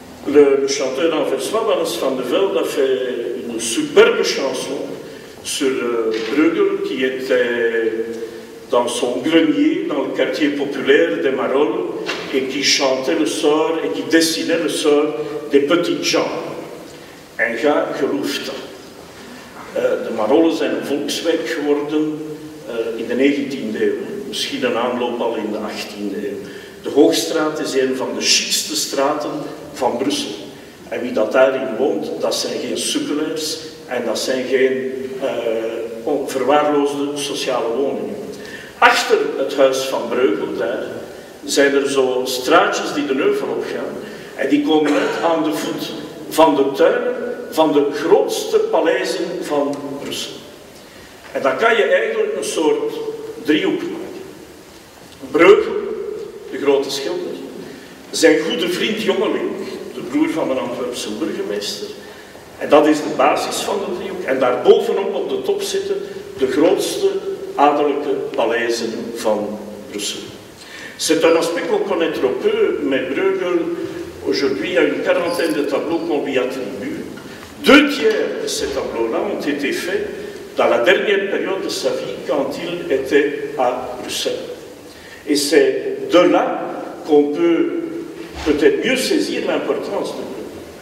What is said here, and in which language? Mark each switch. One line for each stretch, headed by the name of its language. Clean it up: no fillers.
French: Le chanteur anversois, Wallace van de Velde, a fait une superbe chanson sur Bruegel qui était dans son grenier, dans le quartier populaire des Marolles, et qui chantait le sort et qui dessinait le sort des petites gens. Un gars geloofd.
Dutch: De Marolles zijn een volkswijk geworden in de 19e eeuw, misschien een aanloop al in de 18e eeuw. De Hoogstraat is een van de chicste straten van Brussel. En wie dat daarin woont, dat zijn geen sukkelaars en dat zijn geen verwaarloosde sociale woningen. Achter het huis van Bruegel, daar, zijn er zo straatjes die de heuvel opgaan. En die komen net aan de voet van de tuin van de grootste paleizen van Brussel. En dan kan je eigenlijk een soort driehoek maken. Bruegel, de grote schilder, zijn goede vriend Jongeling, de broer van een Antwerpse burgemeester. En dat is de basis van de driehoek. En daarbovenop op de top zitten de grootste adellijke paleizen van Brussel.
French: C'est un aspect qu'on connaît trop peu, mais Bruegel, aujourd'hui, a une quarantaine de tableaux qu'on lui attribue. Deux tiers de ces tableaux-là ont été faits dans la dernière période de sa vie, quand il était à Bruxelles. Et c'est de là qu'on peut peut-être mieux saisir l'importance de Bruegel.